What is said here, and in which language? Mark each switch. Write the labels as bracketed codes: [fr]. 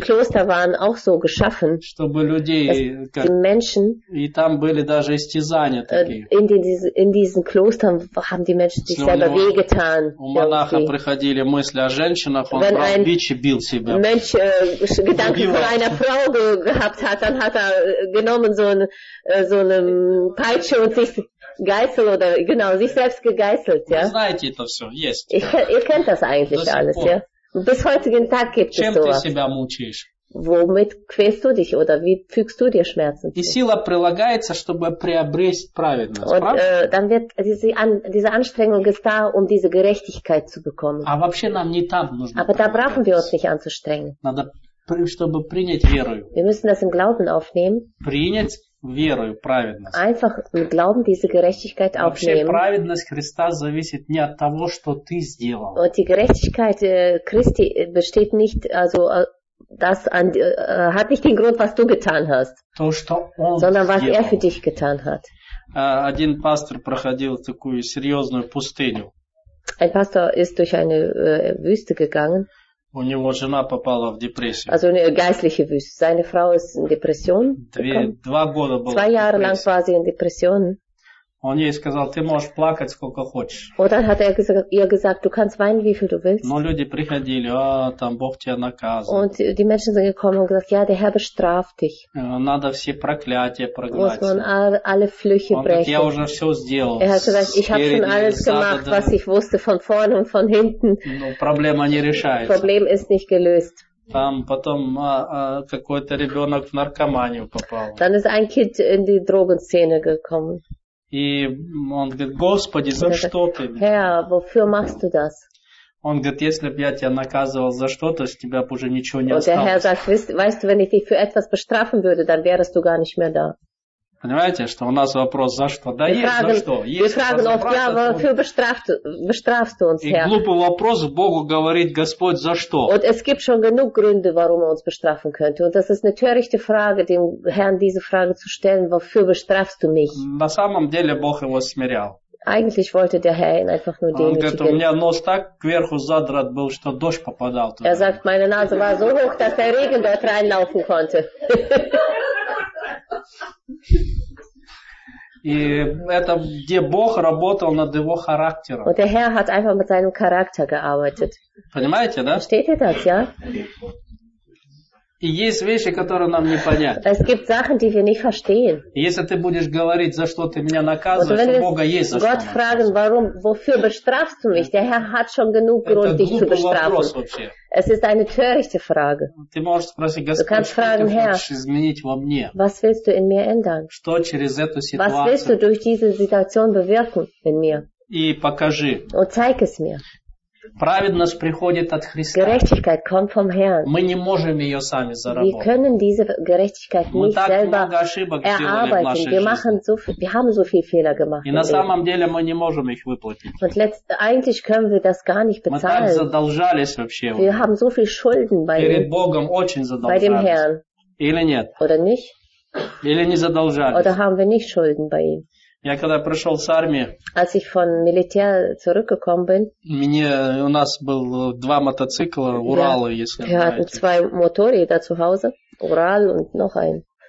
[de] Die Kloster waren auch so geschaffen, [ru] чтобы людей, как, [de] die Menschen, [ru] и там были даже истязания такие. [de] In diesen Klostern haben die Menschen sich selber wehgetan. [ru] У монаха приходили мысли о женщинах, он брал бич и бил себя. [de] Wenn ein Mensch Gedanken von einer Frau gehabt hat, dann hat genommen so eine Peitsche und sich Geißel oder genau sich selbst gegeißelt, ja. Ihr kennt das eigentlich das alles, ja. Bis heutigen Tag gibt [ru] Чем [de] es sowas. [ru] Себя мучаешь? [de] Womit quälst du dich oder wie fügst du dir Schmerzen zu? [ru] И сила прилагается, чтобы приобрести праведность. [de] Und dann wird diese Anstrengung ist da, um diese Gerechtigkeit zu bekommen. [ru] А вообще нам не там нужно. [de] Aber da brauchen wir uns nicht anzustrengen. [ru] Надо, чтобы принять верою. [de] Wir müssen das im Glauben aufnehmen. [ru] Принять верою праведность. [de] Einfach mit Glauben diese Gerechtigkeit aufnehmen. [ru] Вообще праведность Христа зависит не от того, что ты сделал. [de] Und die Gerechtigkeit Christi besteht nicht, also das an, hat nicht den Grund, was du getan hast, [ru] то, что он [de] sondern [ru] сделал. [de] Was er für dich getan hat. [ru] Один пастор проходил такую серьезную пустыню. [de] Ein Pastor ist durch eine Wüste gegangen. [ru] У него жена попала в депрессию. [de] Also eine geistliche Wüste. Seine Frau ist in Depression. [ru] Два года была. [de] Zwei Jahre lang war sie in Depression. [ru] Он ей сказал: "Ты можешь плакать сколько хочешь." [de] Und dann hat er ihr gesagt: "Du kannst weinen, wie viel du willst." [ru] Но люди приходили: "А, там Бог тебя наказывает." [de] Und die Menschen sind gekommen und gesagt: "Ja, der Herr bestraft dich." [ru] Надо все проклятия прогнать. [de] Muss man alle Flüche brechen. [ru] Я уже все сделал. [de] Er hat gesagt: "Ich habe schon alles gemacht, was ich wusste von vorne und von hinten." [ru] Но проблема не решается. [de] Problem ist nicht gelöst. [ru] Там потом какой-то ребенок в наркоманию попал. [de] Dann ist ein Kind in die Drogenszene gekommen. [ru] И он говорит: "Господи, за что ты?" [de] Herr, wofür machst du das? [ru] Он говорит: "Если бы я тебя наказывал за что-то, с тебя бы уже ничего не [de] und [ru] осталось." [de] Und der Herr sagt: "Weißt du, wenn ich dich für etwas bestrafen würde, dann wärest du gar nicht mehr da." [ru] Понимаете, что у нас вопрос: за что? Да [de] wir [ru] есть [de] fragen, [ru] за что. Есть [de] fragen, oft, ja, wofür bestrafst du uns, Herr? [ru] И глупый вопрос Богу говорит: "Господь, за что?" [de] Und es gibt schon genug Gründe, warum er uns bestrafen könnte. Und das ist eine törichte Frage, dem Herrn diese Frage zu stellen: "Wofür bestrafst du mich?" [ru] На самом деле Бог его смирял. [de] Eigentlich wollte der Herr ihn einfach nur demütigen. [ru] Он говорит: "У меня нос так кверху задрат был, что дождь попадал туда." [de] Er sagt: "Meine Nase war so hoch, dass der Regen dort reinlaufen konnte." [ru] И это где Бог работал над его характером. [de] Und der Herr hat einfach mit seinem Charakter gearbeitet. [ru] Понимаете, да? [de] Versteht ihr das, ja? [ru] И есть вещи, которые нам не понятны. [de] Es gibt Sachen, die wir nicht verstehen. [ru] Если ты будешь говорить, за что ты меня наказываешь, у Бога есть за что. [de] Gott fragen, warum, wofür bestrafst du mich? Der Herr hat schon genug Grund, dich zu bestrafen. Es ist eine törichte Frage. [ru] Ты можешь спросить: "Господь, что ты хочешь изменить во мне?" [de] Was willst du in mir ändern? [ru] Что через эту ситуацию? [de] Was willst du durch diese Situation bewirken in mir? [ru] И покажи. [de] Und zeig es mir. [ru] Праведность приходит от Христа. [de] Gerechtigkeit kommt vom Herrn. [ru] Мы не можем ее сами заработать. [de] Wir können diese Gerechtigkeit [ru] мы [de] nicht selber erarbeiten. Wir machen so viel, wir haben so viel Fehler gemacht. [ru] И на самом деле мы не можем их выплатить. [de] Und eigentlich können wir das gar nicht bezahlen. [ru] Мы так задолжались вообще. [de] Wir haben so viel Schulden bei [ru] перед Богом очень задолжались. [de] Bei dem Herrn. [ru] Или нет? [de] Oder nicht? [ru] Или не задолжались? [de] Oder haben wir nicht Schulden bei ihm? [ru] Я когда пришел с армии, [de] als ich von Militär zurückgekommen bin, [ru] у нас был два мотоцикла, Уралы, yeah, если [de] wir [ru] знаете. [de] Hatten zwei Motorräder zu Hause, Ural und noch ein.